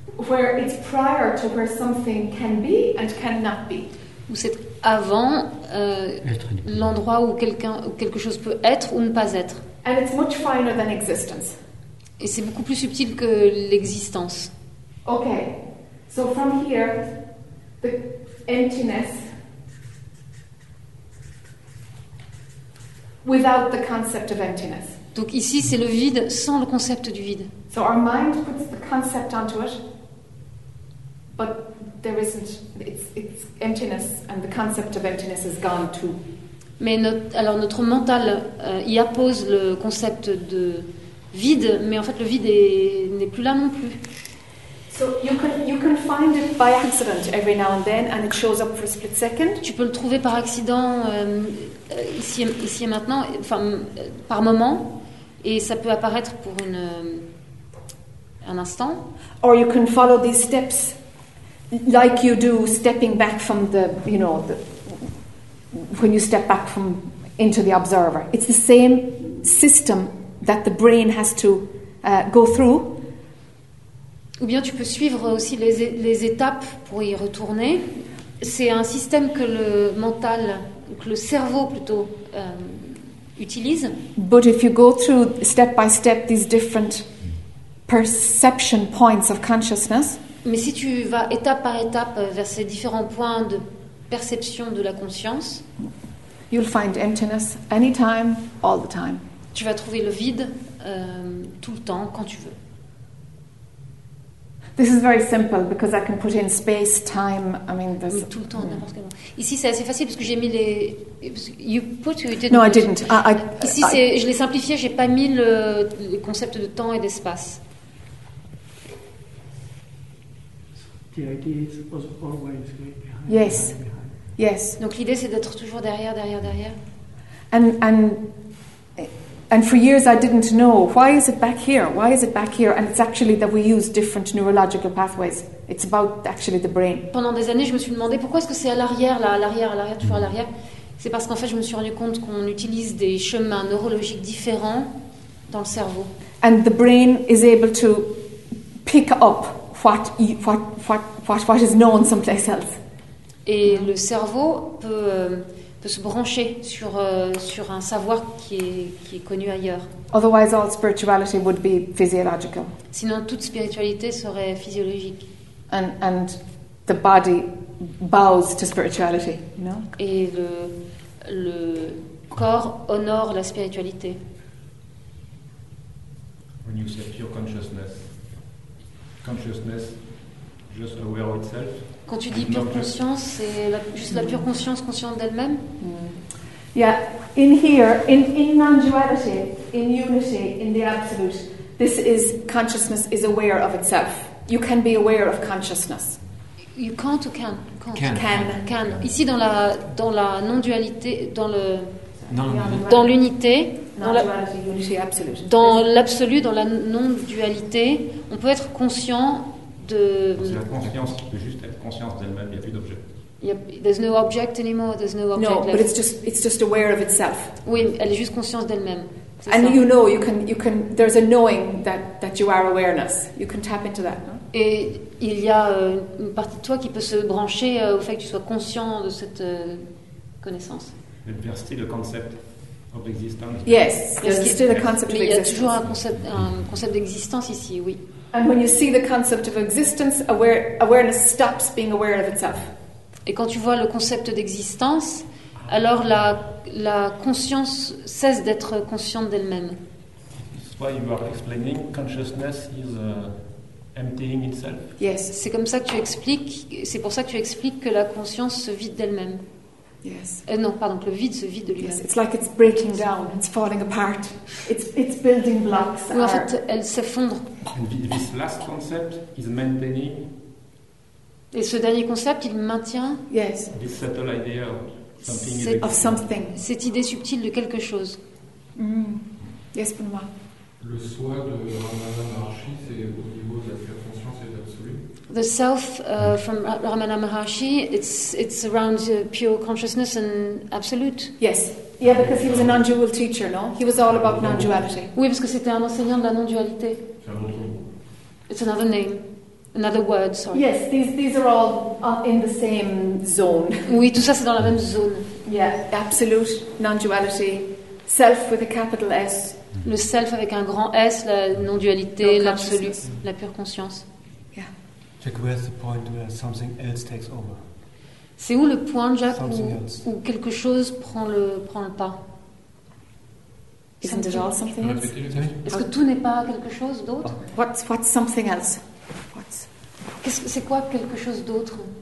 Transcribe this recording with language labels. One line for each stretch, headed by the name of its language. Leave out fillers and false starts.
English: Where it's prior to where something can be and cannot be.
French: Où c'est avant l'endroit où quelque chose peut être ou ne pas être.
English: And it's much finer than existence.
French: Et c'est beaucoup plus subtil que l'existence.
English: Okay. So from here, the emptiness without the concept of emptiness.
French: Donc ici, c'est le vide sans le concept du vide.
English: So our mind puts the concept onto it, but there isn't. It's emptiness, and the concept of emptiness is gone too.
French: Mais notre mental y appose le concept de vide, mais en fait le vide n'est plus là non plus.
English: So you can find it by accident every now and then, and it shows up for a split second.
French: Tu peux le trouver par accident ici et maintenant, enfin par moment, et ça peut apparaître pour un instant.
English: Or you can follow these steps, like you do stepping back from the, you know, the. When you step back from into the observer, it's the same system that the brain has to go through.
French: Ou bien tu peux suivre aussi les étapes pour y retourner. C'est un système que le mental, que le cerveau plutôt, utilise.
English: But if you go through step by step these different perception points of consciousness.
French: Mais si tu vas étape par étape vers ces différents points de perception de la conscience,
English: you'll find emptiness anytime, all the time.
French: Tu vas trouver le vide tout le temps, quand tu veux.
English: This is very simple because I can put in space, time. I mean, there's
French: tout le temps, n'importe quel moment. Ici, c'est assez facile parce que j'ai mis les.
English: You put, you didn't. No, put. I didn't.
French: Je l'ai simplifié. J'ai pas mis le concept de temps et d'espace.
English: The idea is always going behind. Yes. Behind. Yes.
French: Donc l'idée, c'est d'être toujours derrière, derrière, derrière.
English: And for years I didn't know, why is it back here? Why is it back here? And it's actually that we use different neurological pathways. It's about actually the brain.
French: Pendant des années, je me suis demandé pourquoi est-ce que c'est à l'arrière, là, à l'arrière, à l'arrière, toujours à l'arrière. C'est parce qu'en fait, je me suis rendu compte qu'on utilise des chemins neurologiques différents dans le cerveau.
English: And the brain is able to pick up what is known someplace else.
French: Et le cerveau peut... peut se brancher sur sur un savoir qui est connu ailleurs.
English: Otherwise, all spirituality would be physiological.
French: Sinon, toute spiritualité serait physiologique.
English: And the body bows to spirituality, you know.
French: Et le corps honore la spiritualité.
English: When you say pure consciousness, consciousness just aware of itself.
French: Quand tu dis pure conscience, c'est juste la pure conscience consciente d'elle-même.
English: Yeah, in here, in non-duality, in unity, in the absolute, this is consciousness is aware of itself. You can be aware of consciousness. You can't or can? Can.
French: Ici dans la non-dualité, dans l'unité.
English: Non-duality, unity, absolute.
French: Dans l'absolu, dans la non-dualité, on peut être conscient. C'est la conscience qui peut juste être conscience d'elle-même. Il n'y a plus d'objet.
English: There's no object anymore. There's no object. No, but it's just aware of itself.
French: Oui, elle est juste consciente d'elle-même. C'est
English: and
French: ça.
English: You know, you can. There's a knowing that you are awareness. You can tap into that. No?
French: Et il y a une partie de toi qui peut se brancher au fait que tu sois conscient de cette connaissance.
English: Adversity, the concept of existence. Yes, there's still a concept of existence.
French: Il y a toujours un concept d'existence ici, oui.
English: And when you see the concept of existence, awareness stops being aware of itself.
French: Et quand tu vois le concept d'existence, alors la conscience cesse d'être consciente d'elle-même.
English: That's why you are explaining consciousness is emptying itself. Yes,
French: c'est comme ça que tu expliques. C'est pour ça que tu expliques que la conscience se vide d'elle-même.
English: Yes.
French: Non, pardon, le vide se vide de lui-même.
English: Yes, it's like it's breaking down, it's falling apart. It's building blocks.
French: Oui, en fait, elle s'effondre.
English: And this last concept is maintaining.
French: Et ce dernier concept, il maintient.
English: Yes. This subtle idea of something. Of something.
French: Cette idée subtile de quelque chose.
English: Yes,
French: pour moi. Le soi de Ramana Maharshi, c'est au niveau de la pure conscience et de l'absolu.
English: The self from Ramana Maharshi, it's around pure consciousness and absolute. Yes. Yeah, because he was a non-dual teacher, no? He was all about non-duality.
French: Oui, parce que c'était un enseignant de la non-dualité.
English: It's another name, another word, sorry. Yes, these are all in the same zone.
French: Oui, tout ça c'est dans la même zone.
English: Yeah, absolute, non-duality, self with a capital S.
French: Le self avec un grand S, la non-dualité, l'absolu, la pure conscience.
English: Jack, where's the point where something else takes over?
French: C'est où le point, Jack, où quelque chose prend le pas?
English: Isn't it all something else?
French: Est-ce que tout n'est pas quelque chose d'autre?
English: What's something else? What's...
French: C'est quoi quelque chose d'autre?